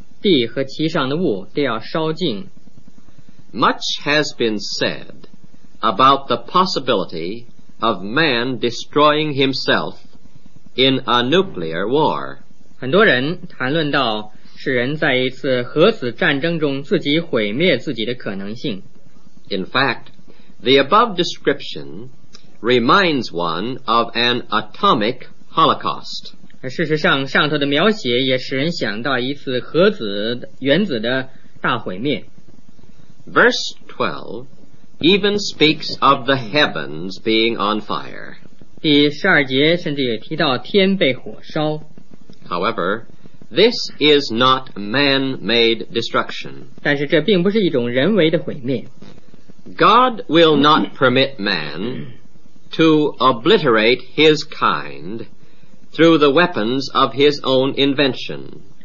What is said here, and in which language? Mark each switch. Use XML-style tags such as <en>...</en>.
<zh>地和其上的物都要烧尽。</zh> <en>Much has been said about the possibility of man destroying himself in a nuclear war.</en> <zh>很多人谈论到是人在一次核子战争中自己毁灭自己的可能性。</zh> <en>In fact,The above description reminds one of an atomic holocaust.</en> <zh>事实上，上头的描写也使人想到一次核子原子的大毁灭。</zh> <en>Verse 12 even speaks of the heavens being on fire.</en> <zh>第十二节甚至也提到天被火烧。</zh> <en>However, this is not man-made destruction.</en> <zh>但是这并不是一种人为的毁灭。</zh> <en>God will not permit man to obliterate his kind through the weapons of his own invention.</en>